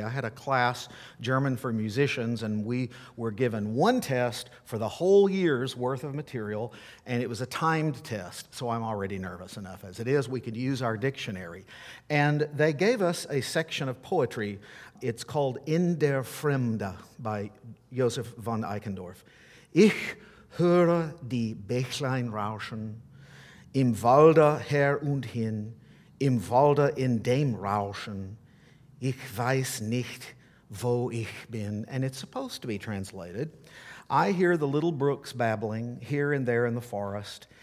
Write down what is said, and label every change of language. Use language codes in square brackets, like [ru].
[en] I had a class, German for musicians, and we were given one test for the whole year's worth of material, and it was a timed test, so I'm already nervous enough. As it is, we could use our dictionary. And they gave us a section of poetry. It's called In der Fremde by Josef von Eichendorff. [de] Ich höre die Bächlein rauschen, im Walde her und hin, im Walde in dem Rauschen, ich weiß nicht, wo ich bin. [en] And it's supposed to be translated, I hear the little brooks babbling here and there in the forest.